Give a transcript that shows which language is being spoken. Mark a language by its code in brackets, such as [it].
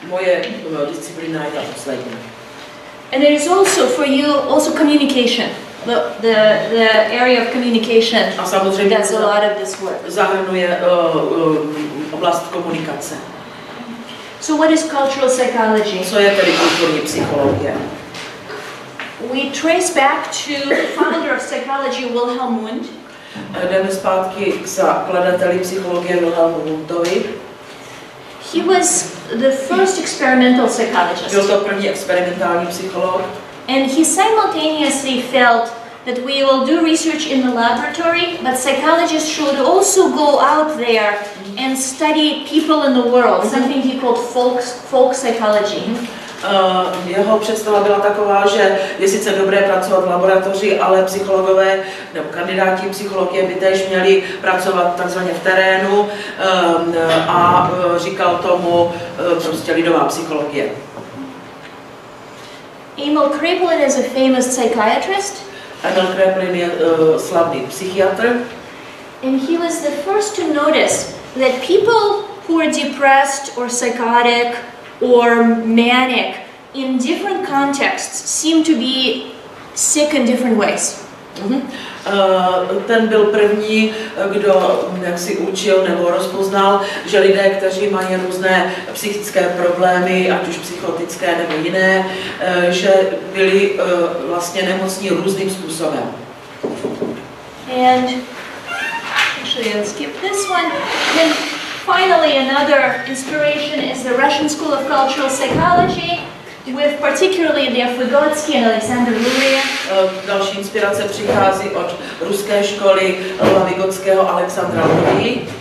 [cs] Moje disciplína je ta poslední. [en] And it is also for you also communication. The area of communication does a lot of this work. [cs] Zahrnuje oblast komunikace. [en] So what is cultural psychology? [cs] Co je tedy kulturní psychologie? [en] We trace back to the founder of psychology, Wilhelm Wundt. [cs] Jdeme zpátky k zakladateli psychologie Wilhelmu Wundtovi. [en] He was the first experimental psychologist. [cs] Byl to první experimentální psycholog. [en] And he simultaneously felt that we will do research in the laboratory, but psychologists should also go out there and study people in the world, something he called folk psychology. [cs] Jeho představa byla taková, že je sice dobré pracovat v laboratoři, ale psychologové nebo kandidáti psychologie by též měli pracovat takzvaně v terénu, a říkal tomu prostě lidová psychologie. [en] Emil Kraepelin is a famous psychiatrist. [cs] Emil Kraepelin je slavný psychiatr. [en] And he was the first to notice that people who are depressed or psychotic or manic in different contexts seem to be sick in different ways. Mm-hmm. [cs] Ten byl první, kdo jaksi učil nebo rozpoznal, že lidé, kteří mají různé psychické problémy, ať už psychotické nebo jiné, že byli vlastně nemocní různým způsobem. [en] And actually, I'll skip this one. Then finally, another inspiration is the Russian School of Cultural Psychology. With particularly Lev Vygotsky and Alexander Luria. [cs] Další inspirace přichází od ruské školy Leva Vygotského a Alexandra Luria.